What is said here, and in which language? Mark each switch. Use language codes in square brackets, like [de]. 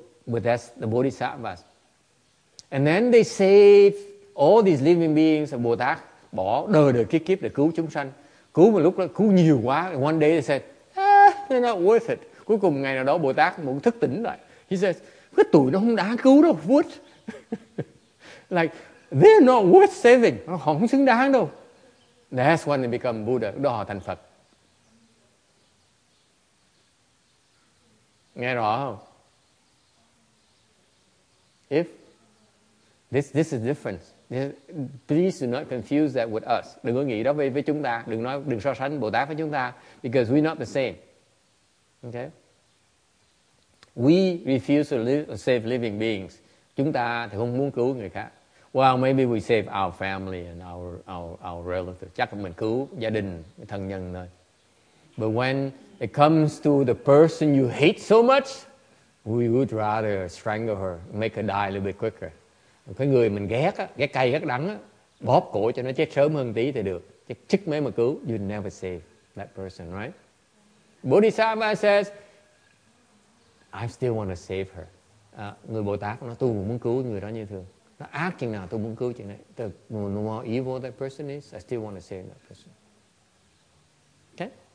[en] But that's the bodhisattvas. And then they save all these living beings, [vi] Bồ Tát bỏ đời đời kiếp kiếp để cứu chúng sanh. Cứu một lúc đó, cứu nhiều quá. [en] One day they said, they're not worth it. [vi] Cuối cùng ngày nào đó Bồ Tát muốn thức tỉnh lại. [en] He says, [vi] cái tụi nó không đáng cứu đâu. [en] What? Like, they're not worth saving. [vi] Họ không xứng đáng đâu. [en] That's when they become Buddha. [vi] Đó họ thành Phật. Nghe rõ không? [en] If this is different. Please do not confuse that with us. [vi] Đừng có nghĩ đó với chúng ta. Đừng so sánh Bồ Tát với chúng ta. [en] Because we're not the same. Okay? We refuse to save living beings. [vi] Chúng ta thì không muốn cứu người khác. [en] Well, maybe we save our family and our relatives. [vi] Chắc mình cứu gia đình, thân nhân thôi. [en] But when it comes to the person you hate so much, we would rather strangle her, make her die a little bit quicker. [vi] Cái người mình ghét á, ghét cay ghét đắng á, bóp cổ cho nó chết sớm hơn tí thì được. Chứ chích mấy mà cứu, [en] you never save that person, right? Bodhisattva says, I still want to save her. [vi] Người Bồ Tát nói, tôi muốn cứu người đó như thường. Nó ác chừng nào tôi muốn cứu chừng này. [en] The more evil that person is, I still want to save that person. Okay?